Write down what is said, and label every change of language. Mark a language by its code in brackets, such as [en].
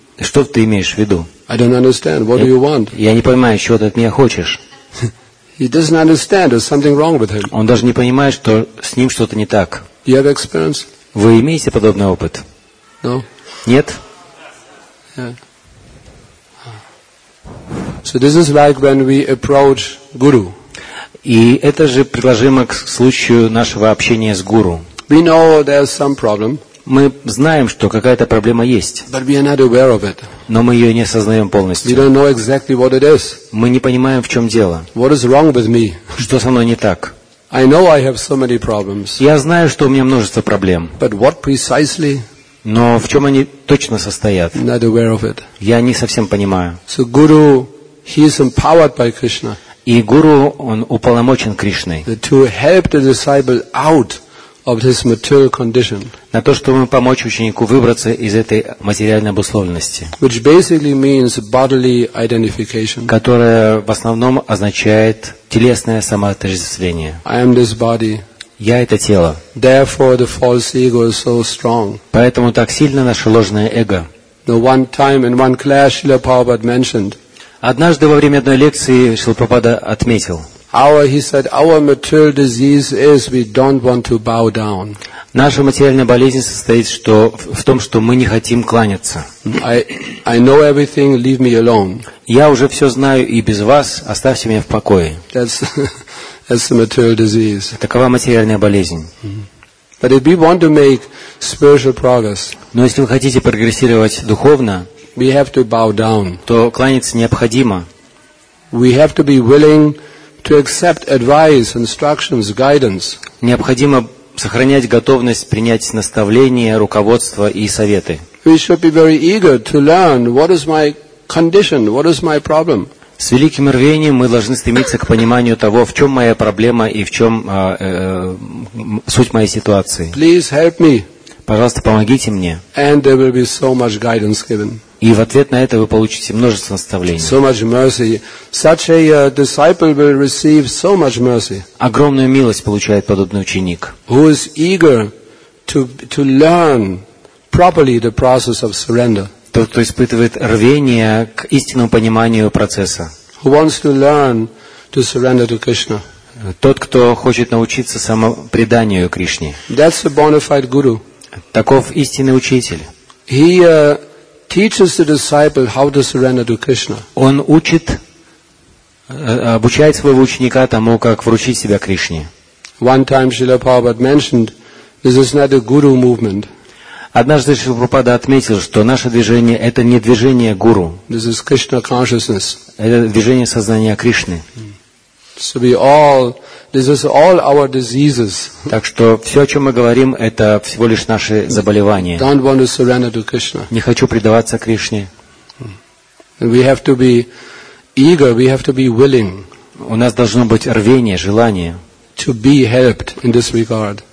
[ru] Что ты имеешь в виду? [en] I don't understand. What do you want? [ru] Я не понимаю, чего ты от меня хочешь. [en] He doesn't understand. There's something wrong with him. [ru] Он даже не понимает, что с ним что-то не так. [en] You have experience? [ru] Вы имеете подобный опыт? [en] No. [ru] Нет? [en] Yeah. So this is like when we approach guru. [ru] И это же приложимо к случаю нашего общения с гуру. [en] We know there's some problem. [ru] Мы знаем, что какая-то проблема есть. [en] But we are not aware of it. [ru] Но мы ее не осознаем полностью. [en] We don't know exactly what it is. [ru] Мы не понимаем, в чем дело. [en] What is wrong with me? [ru] Что со мной не так? [en] I know I have so many problems. [ru] Я знаю, что у меня множество проблем. [en] But what precisely? [ru] Но в чем они точно состоят? [en] Not aware of it. [ru] Я не совсем понимаю. [en] So guru, he is empowered by Krishna. [ru] И гуру, он уполномочен Кришной. [en] To help the disciple out of his material condition. [ru] На то, чтобы помочь ученику выбраться из этой материальной обусловленности. [en] Which basically means bodily identification. [ru] Которая в основном означает телесное самоотождествление. [en] I am this body. [ru] Я это тело. [en] Therefore, the false ego is so strong. [ru] Поэтому так сильно наше ложное эго. [en] The one time in one class, Srila Prabhupada mentioned. [ru] Однажды во время одной лекции Шрила Прабхупада отметил. [en] Our material disease is we don't want to bow down. [ru] Наша материальная болезнь состоит в том, что мы не хотим кланяться. [en] I know everything, leave me alone. [ru] Я уже все знаю и без вас, оставьте меня в покое. [en] That's the material disease. [ru] Такова материальная болезнь. [en] But if we want to make spiritual progress, [ru] но если вы хотите прогрессировать духовно, [en] we have to bow down. [ru] То кланяться необходимо. [en] We have to be willing to accept advice, instructions, guidance. [ru] Необходимо сохранять готовность принять наставления, руководство и советы. [en] We should be very eager to learn what is my condition, what is my problem. [ru] С великим рвением мы должны стремиться к пониманию того, в чем моя проблема и в чем суть моей ситуации. [en] Please help me. [ru] Пожалуйста, помогите мне. [en] And there will be so much guidance given. [ru] И в ответ на это вы получите множество наставлений. [en] So much mercy. Such a disciple will receive so much mercy. [ru] Огромную милость получает подобный ученик. [en] Who is eager to learn properly the process of surrender. [ru] Тот, кто испытывает рвение к истинному пониманию процесса. [en] Who wants to learn to surrender to Krishna. [ru] Тот, кто хочет научиться самопреданию Кришне. [en] That's a bona fide guru. [ru] Таков истинный учитель. [en] He teaches the disciple how to surrender to Krishna. [ru] Он учит, обучает своего ученика тому, как вручить себя Кришне. [en] One time Srila Prabhupada mentioned, this is not a guru movement. [ru] Однажды Шрила Прабхупада отметил, что наше движение – это не движение гуру. [en] This is Krishna consciousness. [ru] Это движение сознания Кришны. [en] So we all, this is all our diseases. [ru] Так что все, о чем мы говорим, это всего лишь наши заболевания. [en] Don't want to surrender to Krishna. [ru] Не хочу предаваться Кришне. [en] We have to be eager, we have to be willing. [ru] У нас должно быть рвение, желание. [en] To be helped in this regard.